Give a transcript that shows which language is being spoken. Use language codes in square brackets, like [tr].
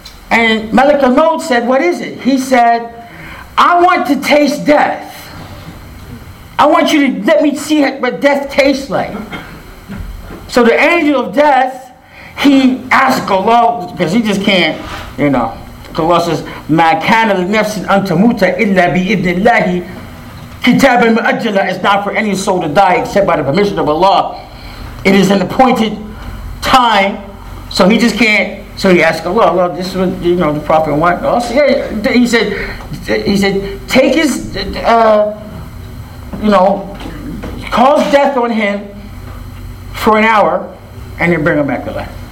[en] And Malik al-Maut said, what is it? He said, I want to taste death. I want you to let me see what death tastes like. So the angel of death, he asked Allah, because he just can't, you know. Allah says, [ar] مَا كَانَ لِنَفْسٍ أَن تَمُوتَ إِلَّا بِإِذْنِ اللَّهِ كِتَابًا مُؤَجَّلًا. [en] It's not for any soul to die except by the permission of Allah. It is an appointed time. So he just can't. So he asked Allah, well, this is what, you know, the Prophet wants. Oh, so yeah, he said, take his, you know, cause death on him for an hour, and then bring him back to life.